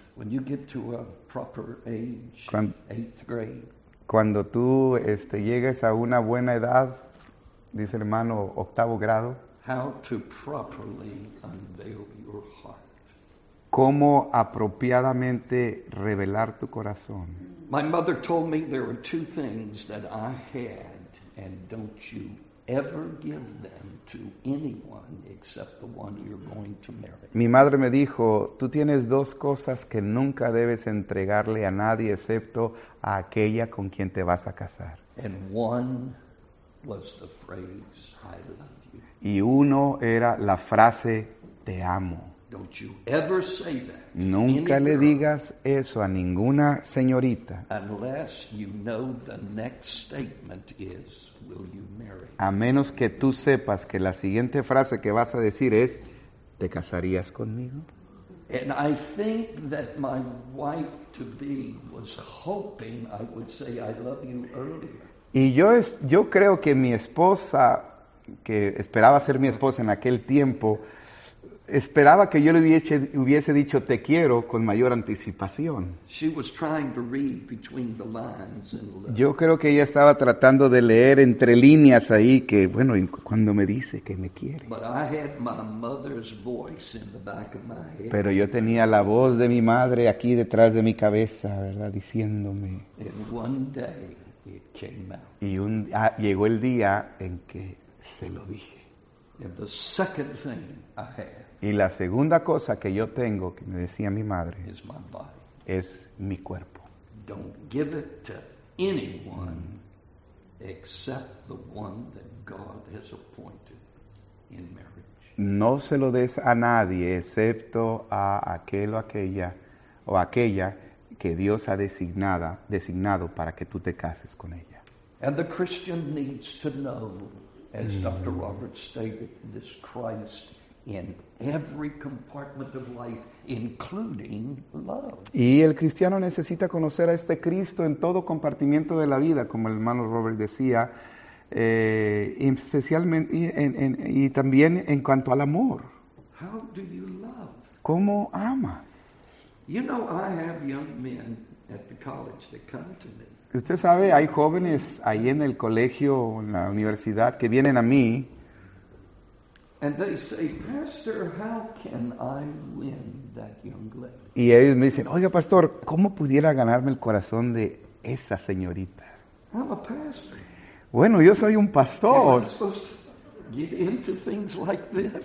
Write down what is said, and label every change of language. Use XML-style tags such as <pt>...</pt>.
<en>When you get to a proper age, eighth grade.</en> <es>Cuando tú llegues a una buena edad, dice el hermano, octavo grado.</es> <en>How to properly unveil your heart.</en> <es>Cómo apropiadamente revelar tu corazón.</es> <en>My mother told me there were 2 things that I had, and don't you ever give them to anyone except the one you're going to marry.</en> <es>Mi madre me dijo, tú tienes 2 cosas que nunca debes entregarle a nadie excepto a aquella con quien te vas a casar.</es> <en>And one was the phrase, I love you.</en> <es>Y uno era la frase, te amo.</es> <en>Don't you ever say that.</en> <es>Nunca le digas eso a ninguna señorita.</es> <en>Unless you know the next statement is, will you marry?</en> <es>A menos que tú sepas que la siguiente frase que vas a decir es, ¿te casarías conmigo?</es> <en>And I think that my wife to be was hoping I would say I love you earlier.</en> <es>Y yo creo que mi esposa, que esperaba ser mi esposa en aquel tiempo, esperaba que yo le hubiese dicho te quiero con mayor anticipación.</es> <en>She was trying to read between the lines and love.</en> <es>Yo creo que ella estaba tratando de leer entre líneas ahí que, bueno, cuando me dice que me quiere.</es> <en>But I had my mother's voice in the back of my head.</en> <es>Pero yo tenía la voz de mi madre aquí detrás de mi cabeza, ¿verdad? Diciéndome.</es> <en>And one day it came out.</en> <es>Y llegó el día en que se lo dije.</es> <en>And the second thing I have.</en> <es>Y la segunda cosa que yo tengo, que me decía mi madre,</es> <en>is my body.</en> <es>Es mi cuerpo.</es> <en>Don't give it to anyone except the one that God has appointed in marriage.</en> <es>No se lo des a nadie excepto a aquel o aquella que Dios ha designado para que tú te cases con ella.</es> <en>And the Christian needs to know, as Dr. Roberts stated, this Christ in every compartment of life, including love.</en> <es>Y el cristiano necesita conocer a este Cristo en todo compartimiento de la vida, como el hermano Robert decía, especialmente y también en cuanto al amor.</es> <en>How do you love?</en> <es>¿Cómo amas?</es> <en>You know, I have young men at the college that come to me.</en> <es>Usted sabe, hay jóvenes ahí en el colegio, en la universidad, que vienen a mí.</es> <en>And they say, Pastor, how can I win that young lady?</en> <es>Y ellos me dicen, oiga, pastor, ¿cómo pudiera ganarme el corazón de esa señorita?</es> <en>I'm a pastor.</en> <es>Bueno, yo soy un pastor.</es> <en>Am I supposed to get into things like this?</en>